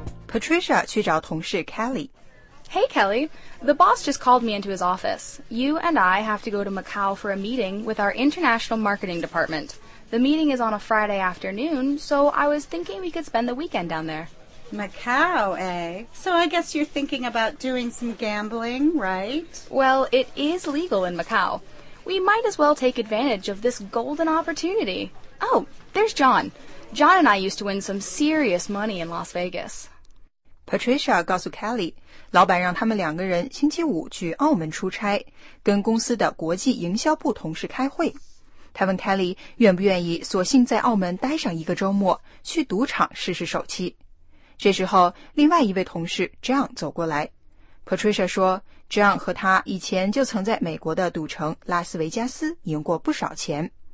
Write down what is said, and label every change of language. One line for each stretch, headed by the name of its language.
Chinese: Patricia 去找同事 Kelly.
English: Hey Kelly, the boss just called me into his office. You and I have to go to Macau for a meeting with our international marketing department. The meeting is on a Friday afternoon, so I was thinking we could spend the weekend down there. Macau, eh? So I guess you're thinking about doing some gambling, right? Well, it is legal in Macau. We might as well take advantage of this golden opportunity. Oh, there's John. John and I used to win some serious money in Las Vegas.
Chinese: Patricia 告诉 Kelly, 老板让他们两个人星期五去澳门出差，跟公司的国际营销部同事开会。他问 Kelly 愿不愿意索性在澳门待上一个周末，去赌场试试手气。这时候，另外一位同事 John 走过来。Patricia 说 ,John 和他以前就曾在美国的赌城拉斯维加斯赢过不少钱。